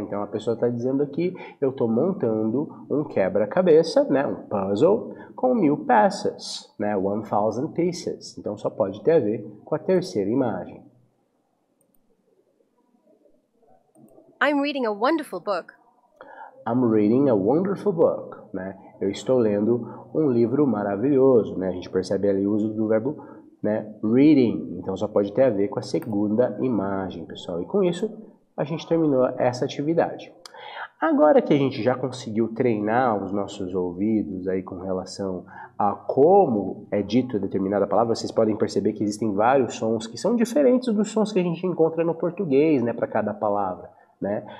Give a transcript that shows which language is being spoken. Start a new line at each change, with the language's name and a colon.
Portuguese: Então, a pessoa está dizendo aqui, eu estou montando um quebra-cabeça, né? Um puzzle com 1,000 peças, né?
English: 1,000 pieces.
Portuguese: Então, só pode ter a ver com a terceira imagem.
English: I'm reading a wonderful book. I'm reading a wonderful book, né?
Portuguese: Eu estou lendo um livro maravilhoso, né? A gente percebe ali o uso do verbo, né, reading, então só pode ter a ver com a segunda imagem, pessoal. E com isso, a gente terminou essa atividade. Agora que a gente já conseguiu treinar os nossos ouvidos aí com relação a como é dito determinada palavra, vocês podem perceber que existem vários sons que são diferentes dos sons que a gente encontra no português, né, para cada palavra. Né?